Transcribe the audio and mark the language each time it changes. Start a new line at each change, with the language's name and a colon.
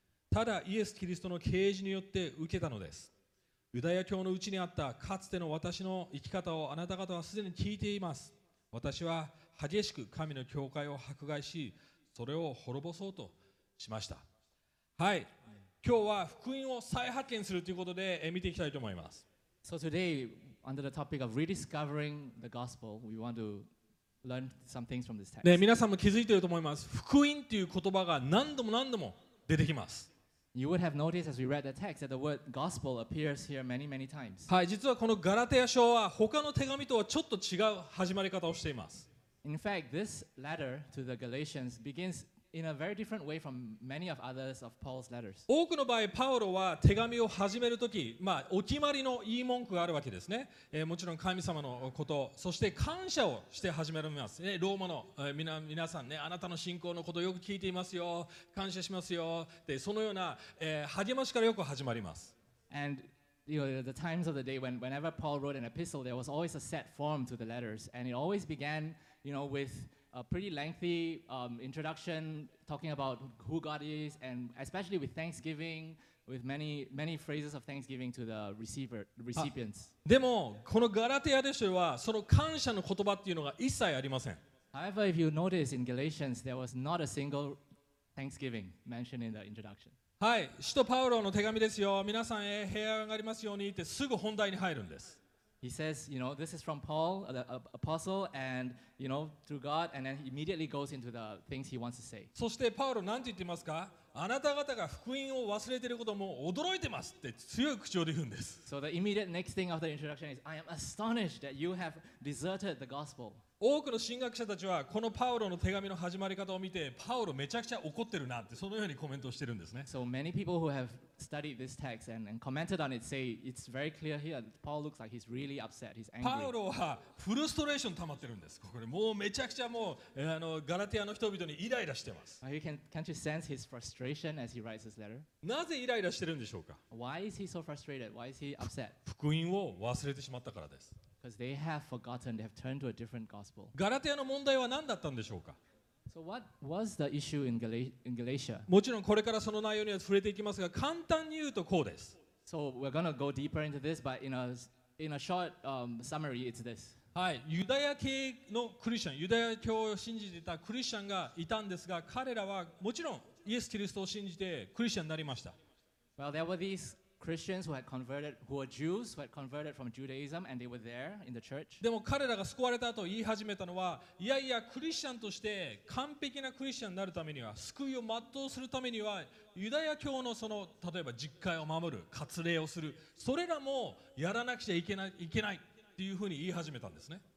Japanese: ただイエス・キリストの啓示によって受けたのです。ユダヤ教のうちにあったかつての私の生き方をあなた方はすでに聞いています。私は激しく神の教会を迫害し、それを滅ぼそうとしました。はい、今日は福音を再発見するということで見ていきたいと思います。
English: So today, under the topic of rediscovering the gospel, we want to learn some things from this text.
Japanese: ね、皆さんも気づいていると思います。福音という言葉が何度も何度も出てきます。
English: You would have noticed as we read the text that the word gospel appears here many, many times.
Japanese: はい、実はこのガラテヤ書は他の手紙とはちょっと違う始まり方をしています。
English: In fact, this letter to the Galatians begins in a very different way from many of others of Paul's letters.
Japanese: 多くの場合、パウロは手紙を始めるとき、まあお決まりの言い文句があるわけですね。もちろん神様のこと、そして感謝をして始めます。ね、ローマの、皆さんね、あなたの信仰のことをよく聞いていますよ、感謝しますよ、でそのような、励ましからよく始まります。
English: And you know, the times of the day when whenever Paul wrote an epistle, there was always a set form to the letters, and it always began, you know, withA pretty lengthy introduction talking about who God is and especially with thanksgiving with many phrases of thanksgiving to the recipients.
Japanese: でもこのガラテヤ書はその感謝の言葉っていうのが一切ありません。
English: However, if you notice in Galatians, there was not a single thanksgiving mentioned in the introduction.
Japanese: はい、使徒パウロの手紙ですよ。皆さんへ平安がありますようにってすぐ本題に入るんです。
English: He says, you know, this is from Paul, the apostle, and, you know, through God, and then he immediately goes into the things he wants to say.
Japanese: そしてパウロ何て言ってますか?あなた方が福音を忘れていることも驚いてますって強い口調で言うんです。
English: So the immediate next thing after the introduction is, I am astonished that you have deserted the gospel.
Japanese: 多くの神学者たちはこのパウロの手紙の始まり方を見てパウロめちゃくちゃ怒ってるなってそのようにコメントしてるんですね。
English: So many people who have studied this text and commented on it say it's very clear here that Paul looks like he's really upset, he's angry.
Japanese: パウロはフルストレーション溜まってるんです。これもうめちゃくちゃもうあのガラティアの人々にイライラしてます。
English: You can't you sense his frustration as he writes this letter?
Japanese: なぜイライラしてるんでしょうか。
English: Why is he so frustrated? Why is he upset?
Japanese: 福音を忘れてしまったからです。
English: Because they have forgotten, they have turned to a different gospel.
Japanese: ガラテヤの問題は何だったんでしょうか。
English: So what was the issue in Galatia?
Japanese: もちろんこれからその内容には触れていきますが、簡単に言うとこうです。
English: So we're gonna go deeper into this, but in a short summary, it's this.
Japanese: はい、ユダヤ系のクリスチャン、ユダヤ教を信じていたクリスチャンがいたんですが、彼らはもちろんイエス・キリストを信じてクリスチャンになりました。
English: Well, there were these. Christians who had converted, who were Jews who had converted from Judaism, and they were there in the church.
Japanese: でも彼らが救われた後言い始めたのは、いやいや、クリスチャンとして完璧なクリスチャンになるためには、救いを全うするためには、ユダヤ教のその例えば実戒を守る、割礼をする、それらもやらなくちゃいけないっていうふうに言い始めたんですね。